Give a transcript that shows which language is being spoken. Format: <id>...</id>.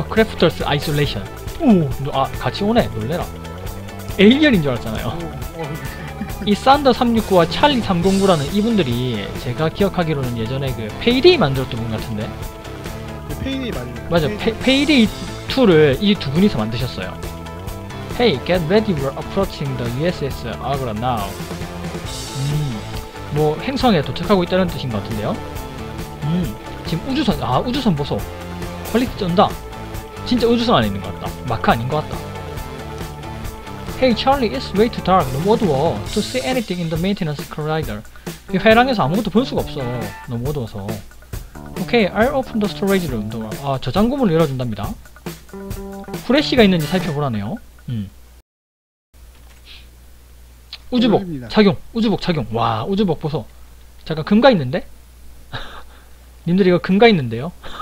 <ko>크래프터스 아이솔레이션! 같이 오네! 놀래라! 에일리언인 줄 알았잖아요. 이 산더369와 찰리309라는 이분들이 제가 기억하기로는 예전에 그 페이데이 만들었던 분 같은데? 페이데이 맞네. 맞아, 페이데이2를 이 두 분이서 만드셨어요.</ko> <en>Hey, get ready, we're approaching the USS Agra now.</en> <ko>행성에 도착하고 있다는 뜻인 것 같은데요? 지금 우주선, 우주선 보소! 퀄리티 쩐다. 진짜 우주선 안에 있는 것 같다. 마크 아닌 것 같다.</ko> <en>Hey Charlie, it's way too dark.</en> <ko>너무 어두워.</ko> <en>To see anything in the maintenance collider.</en> <ko>이 회랑에서 아무것도 볼 수가 없어. 너무 어두워서.</ko> <en>Okay, I'll open the storage room door.</en> <ko>저장고 문을 열어준답니다. 후레쉬가 있는지 살펴보라네요. 우주복 고맙습니다. 착용. 우주복 착용. 와, 우주복 보소. 잠깐, 금가 있는데? 님들 이거 금가 있는데요?</ko>